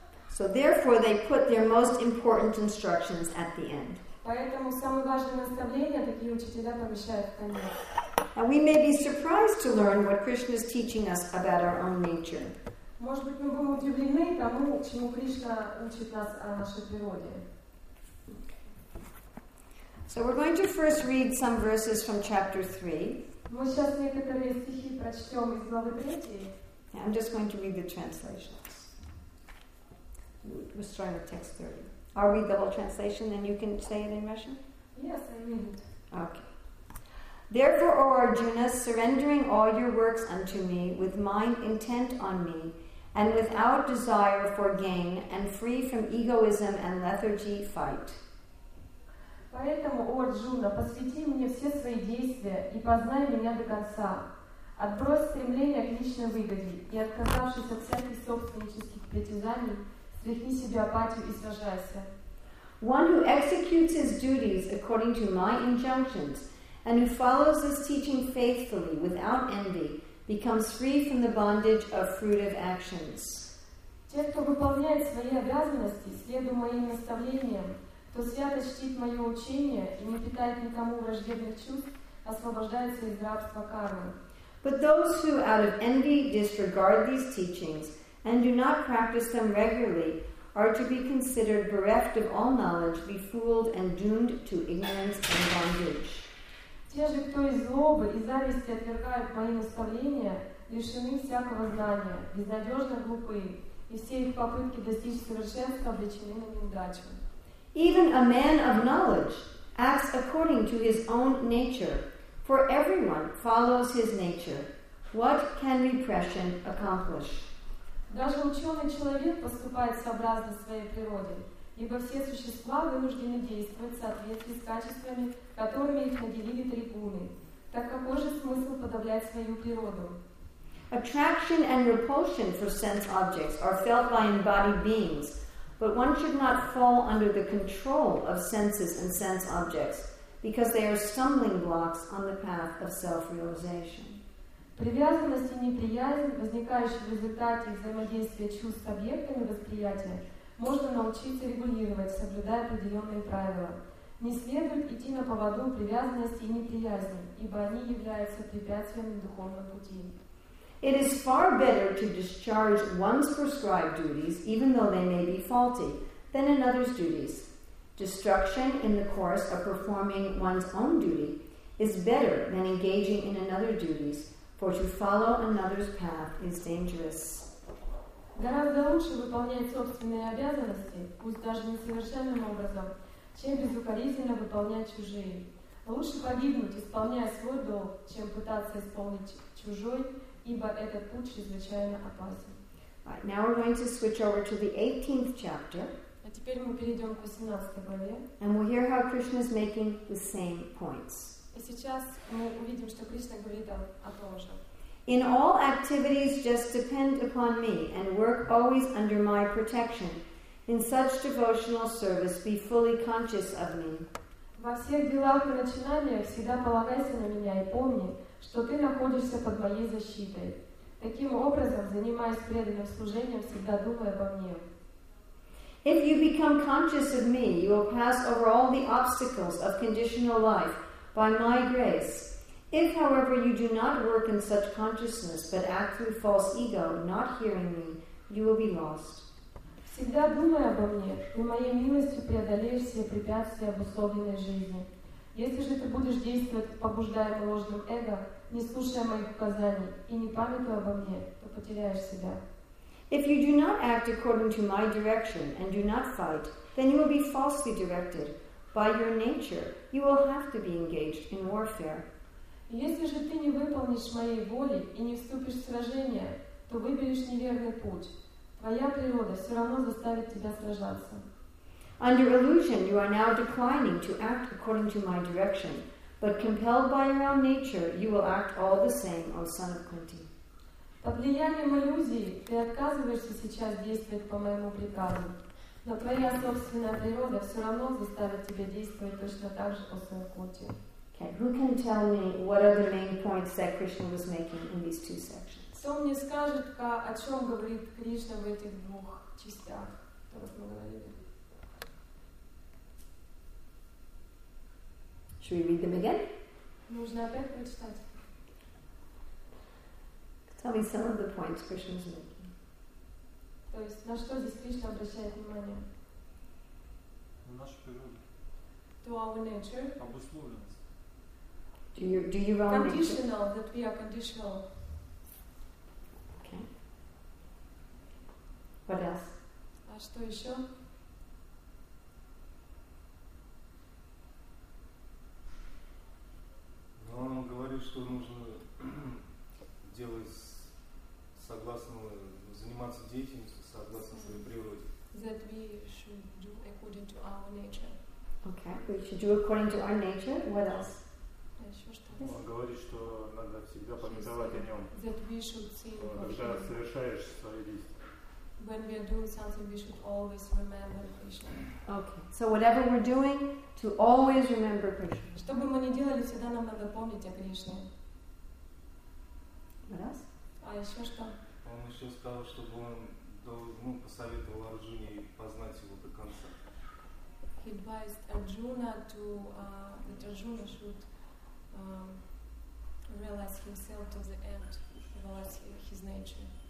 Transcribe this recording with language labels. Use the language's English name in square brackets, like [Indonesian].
[English] So therefore, they put their most important instructions at the end. [Russian] Поэтому самые важные наставления такие учителя помещают в конец. [English] And we may be surprised to learn what Krishna is teaching us about our own nature. [Russian] Может быть, мы будем удивлены тому, чему Кришна учит нас о нашей природе. [English] So we're going to first read some verses from chapter 3. [Russian] Мы сейчас некоторые стихи прочтем из главы 3. [English] I'm just going to read the translations. We're starting with text 30. I'll read the whole translation, then you can say it in Russian? Yes, I mean it. Okay. Therefore, O Arjuna, surrendering all your works unto me, with mind intent on me, and without desire for gain, and free from egoism and lethargy, fight. [Russian] Поэтому, О Арджуна, посвяти мне все свои действия и познай меня до конца. Отбрось стремление к личной выгоде и отказавшись от всяких собственнических притязаний, [English] one who executes his duties according to my injunctions and who follows his teaching faithfully without envy becomes free from the bondage of fruitive actions. [Russian] Те, кто выполняет свои обязанности, следуя моим наставлениям, то свято чтит мое учение и не питает никому враждебных чувств, освобождается из рабства кармы. [English] But those who out of envy disregard these teachings and do not practice them regularly are to be considered bereft of all knowledge, befooled and doomed to ignorance and bondage. [Russian] Те же, кто из злобы и зависти отвергают мои наставления, лишены всякого знания, безнадежно глупые, и все их попытки достичь совершенства обречены на неудачу. [English] Even a man of knowledge acts according to his own nature, for everyone follows his nature. What can repression accomplish? [Russian] Даже ученый человек поступает сообразно своей природе, ибо все существа вынуждены действовать в соответствии с качествами, которыми их наделили трибуны, так какой же смысл подавлять свою природу? [English] Attraction and repulsion for sense objects are felt by embodied beings, but one should not fall under the control of senses and sense objects, because they are stumbling blocks on the path of self-realization. [Russian] Привязанность и неприязнь, возникающие в результате взаимодействия чувств с объектами восприятия, можно научиться регулировать, соблюдая определенные правила. Не следует идти на поводу привязанности и неприязни, ибо они являются препятствиями духовного пути. [English] It is far better to discharge one's prescribed duties, even though they may be faulty, than another's duties. Destruction in the course of performing one's own duty is better than engaging in another duty's, for to follow another's path is dangerous. [Russian] Гораздо лучше выполнять собственные обязанности, пусть даже несовершенным образом, чем безукоризненно выполнять чужие. Лучше погибнуть, исполняя свой долг, чем пытаться исполнить чужой, ибо этот путь чрезвычайно опасен. [English] Right, now we're going to switch over to the 18th chapter. [Russian] А теперь мы перейдем к 18 главе. [English] And we'll hear how Krishna is making the same points. [Russian] И сейчас мы увидим, что Кришна говорит о том же. [English] In all activities just depend upon me and work always under my protection. In such devotional service be fully conscious of me. [Russian] Во всех делах и начинаниях всегда полагайся на меня и помни, что ты находишься под моей защитой. Таким образом, занимаясь преданным служением, всегда думай обо мне. [English] If you become conscious of me, you will pass over all the obstacles of conditional life by my grace. If, however, you do not work in such consciousness, but act through false ego, not hearing me, you will be lost. [Russian] Всегда думай обо мне, и моей милостью преодолеешь все препятствия обусловленной жизни. Если же ты будешь действовать, побуждая ложным эго, не слушая моих указаний и не памятуя обо мне, то потеряешь себя. [English] If you do not act according to my direction and do not fight, then you will be falsely directed. By your nature, you will have to be engaged in warfare. [Russian] Если же ты не выполнишь моей воли и не вступишь в сражение, то выберешь неверный путь. Твоя природа все равно заставит тебя сражаться. [English] Under illusion, you are now declining to act according to my direction, but compelled by your own nature, you will act all the same, O son of Kunti. [Russian] Под влиянием иллюзии ты отказываешься сейчас действовать по моему приказу, но твоя собственная природа все равно заставит тебя действовать точно так же, после Кунти. [English] Okay, who can tell me what are the main points that Krishna was making in these two sections? [Russian] Кто мне скажет, о чем говорит Кришна в этих двух частях? [English] Should we read them again? [Russian] Нужно опять прочитать. [English] Tell me some of the points Krishna is making. [Russian] То есть, на что здесь Кришна обращает внимание? На нашу природу. [English] To our nature. [Russian] Обусловленность. [English] Do you wrong nature? Conditional, that we are conditional. Okay. What else? [Russian] А что еще? Ну, он говорит, что нужно делать согласно, заниматься деятельностью согласно своей природе. [English] That we should do according to our nature. Okay, we should do according to our nature. What else? [Russian] Он говорит, что надо всегда памятовать о нем. [English] That we should think of him. [Russian] Когда совершаешь свои действия. [English] When we are doing something, we should always remember Krishna. Okay, so whatever we're doing, to always remember Krishna. [Russian] Что бы мы ни делали, всегда нам надо помнить о Кришне. [English] What else? [Russian] А еще что? Он еще сказал, чтобы он посоветовал Арджуне познать его до конца. [English] He advised Arjuna to that Arjuna should realize himself to the end, realize his nature.